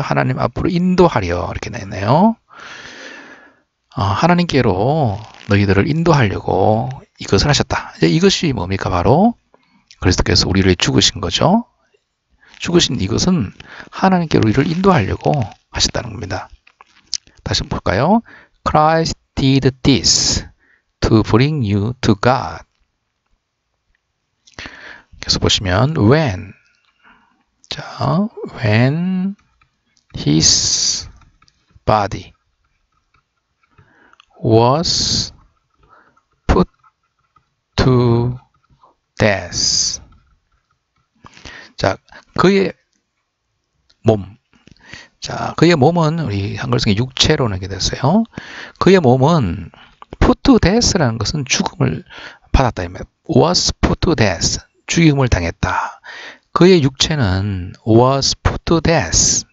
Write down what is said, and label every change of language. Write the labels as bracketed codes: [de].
[ko] 하나님 앞으로 인도하려 이렇게 냈네요. 하나님께로 너희들을 인도하려고 이것을 하셨다. 이제 이것이 뭡니까? 바로 그리스도께서 우리를 죽으신 거죠. 죽으신 이것은 하나님께 우리를 인도하려고 하셨다는 겁니다. 다시 한번 볼까요? [en] Christ did this to bring you to God. [ko] 계속 보시면 when, 자, [en] when his body was put to death. [ko] 자, 그의 몸. 자, 그의 몸은 우리 한글 성경 육체로 나게 됐어요. 그의 몸은 [en] put to death [ko] 라는 것은 죽음을 받았다. [en] was put to death. [ko] 죽임을 당했다. 그의 육체는 [en] was put to death.